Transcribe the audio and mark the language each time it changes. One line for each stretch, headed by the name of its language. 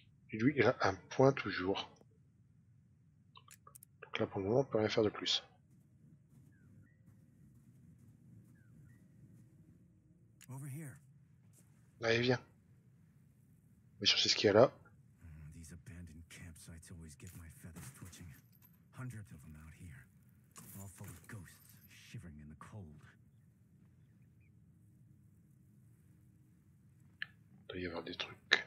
French: Et lui, il a un point toujours. Là, pour le moment, on peut rien faire de plus.
English: Over here.
French: Allez, viens. On va chercher ce qu'il y a là.
English: These abandoned campsites always get my feathers twitching. Hundreds of them out here. All full of ghosts shivering in the cold.
French: Il doit y avoir des trucs.